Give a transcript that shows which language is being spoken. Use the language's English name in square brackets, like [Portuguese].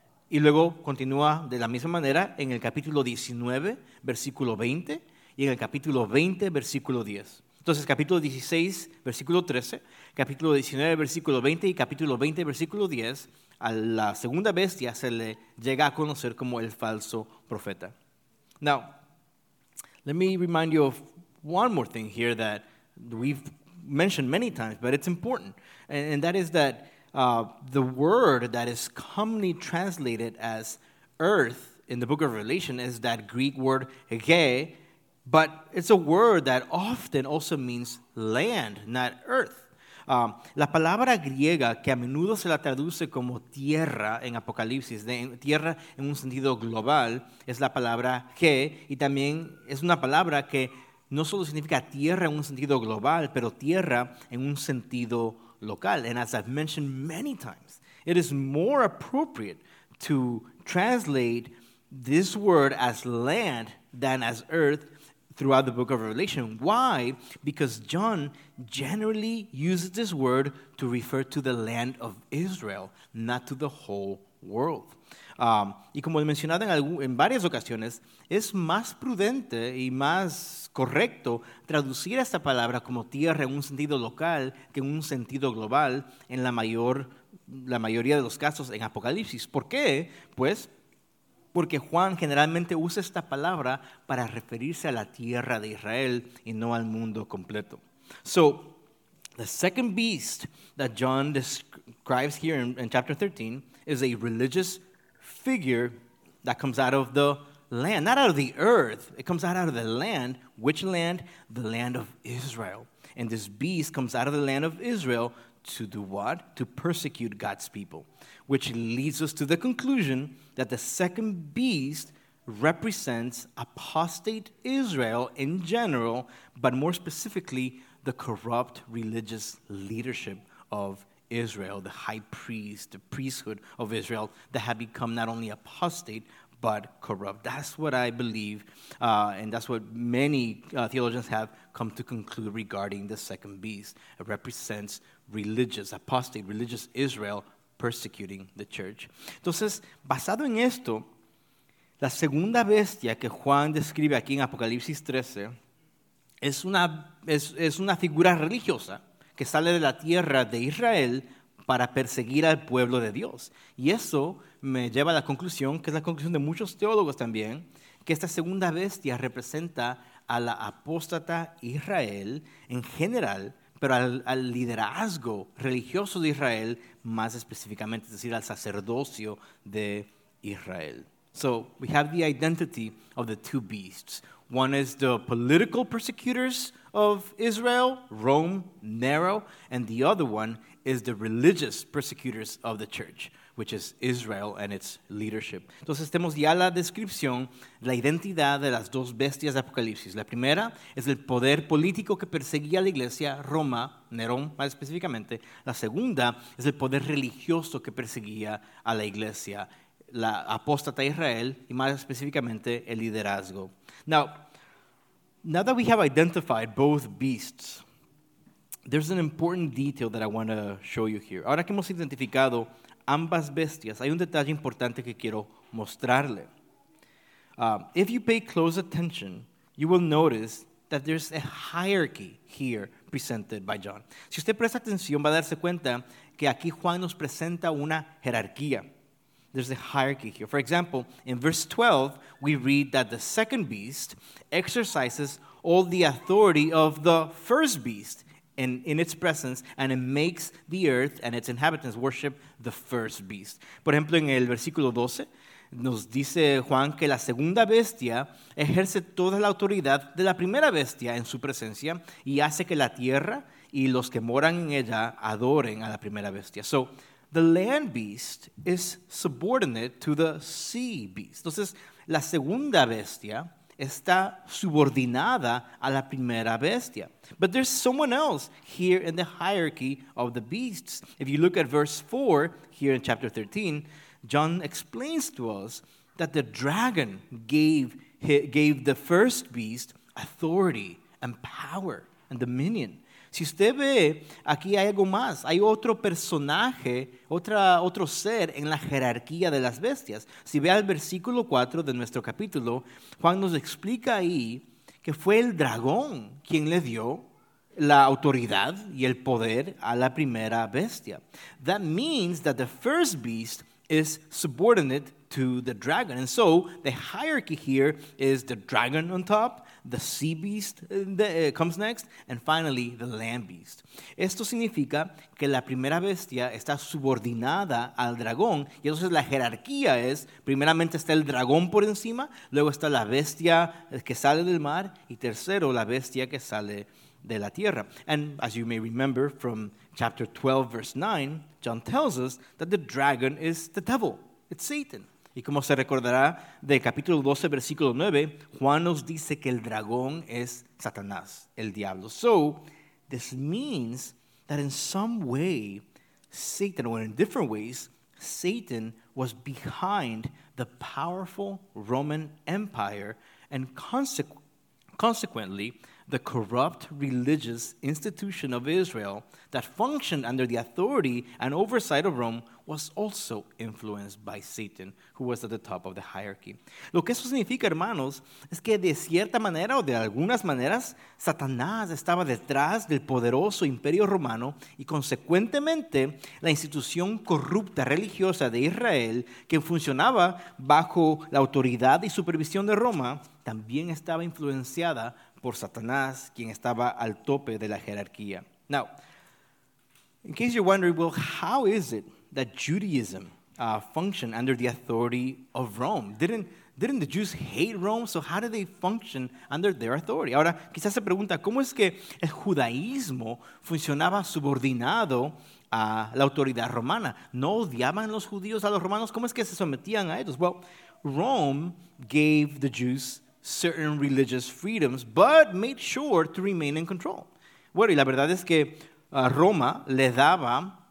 [Spanish] Y luego continúa de la misma manera en el capítulo 19, versículo 20, y en el capítulo 20, versículo 10. Entonces, capítulo 16, versículo 13, capítulo 19, versículo 20, y capítulo 20, versículo 10, a la segunda bestia se le llega a conocer como el falso profeta. [English] Now, let me remind you of one more thing here that we've mentioned many times, but it's important. And that is that the word that is commonly translated as earth in the book of Revelation is that Greek word ge. But it's a word that often also means land, not earth. [Spanish] La palabra griega que a menudo se la traduce como tierra en Apocalipsis, tierra en un sentido global, es la palabra ge, y también es una palabra que no solo significa tierra en un sentido global, pero tierra en un sentido local. [English] And as I've mentioned many times, it is more appropriate to translate this word as land than as earth throughout the book of Revelation. Why? Because John generally uses this word to refer to the land of Israel, not to the whole world. [Spanish] Y como he mencionado en varias ocasiones, es más prudente y más correcto traducir esta palabra como tierra en un sentido local que en un sentido global en la mayoría de los casos en Apocalipsis. ¿Por qué? Pues porque Juan generalmente usa esta palabra para referirse a la tierra de Israel y no al mundo completo. [English] So, the second beast that John describes here in chapter 13 is a religious figure that comes out of the land, not out of the earth. It comes out of the land. Which land? The land of Israel. And this beast comes out of the land of Israel to do what? To persecute God's people. Which leads us to the conclusion that the second beast represents apostate Israel in general, but more specifically, the corrupt religious leadership of Israel, the high priest, the priesthood of Israel, that had become not only apostate, but corrupt. That's what I believe, and that's what many theologians have come to conclude regarding the second beast. It represents religious, apostate, religious Israel persecuting the church. [Spanish] Entonces, basado en esto, la segunda bestia que Juan describe aquí en Apocalipsis 13 es una figura religiosa que sale de la tierra de Israel para perseguir al pueblo de Dios. Y eso me lleva a la conclusión, que es la conclusión de muchos teólogos también, que esta segunda bestia representa a la apóstata Israel en general, pero al liderazgo religioso de Israel más específicamente, es decir, al sacerdocio de Israel. [English] So we have the identity of the two beasts. One is the political persecutors of Israel, Rome, Nero, and the other one is the religious persecutors of the church, which is Israel and its leadership. [Spanish] Entonces, tenemos ya la descripción, la identidad de las dos bestias de Apocalipsis. La primera es el poder político que perseguía a la iglesia, Roma, Nerón más específicamente. La segunda es el poder religioso que perseguía a la iglesia, la apóstata Israel, y más específicamente el liderazgo. [English] Now that we have identified both beasts, there's an important detail that I want to show you here. [Spanish] Ahora que hemos identificado ambas bestias, hay un detalle importante que quiero mostrarle. [English] If you pay close attention, you will notice that there's a hierarchy here presented by John. [Spanish] Si usted presta atención, va a darse cuenta que aquí Juan nos presenta una jerarquía. [English] There's a hierarchy here. For example, in verse 12, we read that the second beast exercises all the authority of the first beast in its presence, and it makes the earth and its inhabitants worship the first beast. [Spanish] Por ejemplo, en el versículo 12, nos dice Juan que la segunda bestia ejerce toda la autoridad de la primera bestia en su presencia y hace que la tierra y los que moran en ella adoren a la primera bestia. [English] So, the land beast is subordinate to the sea beast. [Spanish] Entonces, la segunda bestia está subordinada a la primera bestia. [English] But there's someone else here in the hierarchy of the beasts. If you look at verse 4 here in chapter 13, John explains to us that the dragon gave the first beast authority and power and dominion. [Spanish] Si usted ve, aquí hay algo más. Hay otro personaje, otro ser en la jerarquía de las bestias. Si ve al versículo 4 de nuestro capítulo, Juan nos explica ahí que fue el dragón quien le dio la autoridad y el poder a la primera bestia. [English] That means that the first beast is subordinate to the dragon. And so the hierarchy here is the dragon on top, the sea beast comes next, and finally the land beast. [Spanish] Esto significa que la primera bestia está subordinada al dragón, y entonces la jerarquía es, primeramente está el dragón por encima, luego está la bestia que sale del mar, y tercero la bestia que sale de la tierra. [English] And as you may remember from chapter 12, verse 9, John tells us that the dragon is the devil, it's Satan. [Spanish] Y como se recordará de capítulo 12, versículo 9, Juan nos dice que el dragón es Satanás, el diablo. [English] So, this means that in some way, Satan, or in different ways, Satan was behind the powerful Roman Empire and consequently, the corrupt religious institution of Israel that functioned under the authority and oversight of Rome was also influenced by Satan, who was at the top of the hierarchy. [Spanish] Lo que eso significa, hermanos, es que de cierta manera o de algunas maneras, Satanás estaba detrás del poderoso imperio romano y, consecuentemente, la institución corrupta religiosa de Israel, que funcionaba bajo la autoridad y supervisión de Roma, también estaba influenciada por Satanás, quien estaba al tope de la jerarquía. [English] Now, in case you're wondering, well, how is it that Judaism functioned under the authority of Rome? Didn't the Jews hate Rome? So how did they function under their authority? [Spanish] Ahora, quizás se pregunta, ¿cómo es que el judaísmo funcionaba subordinado a la autoridad romana? ¿No odiaban los judíos a los romanos? ¿Cómo es que se sometían a ellos? [English] Well, Rome gave the Jews certain religious freedoms, but made sure to remain in control. [Spanish] Bueno, y la verdad es que Roma le daba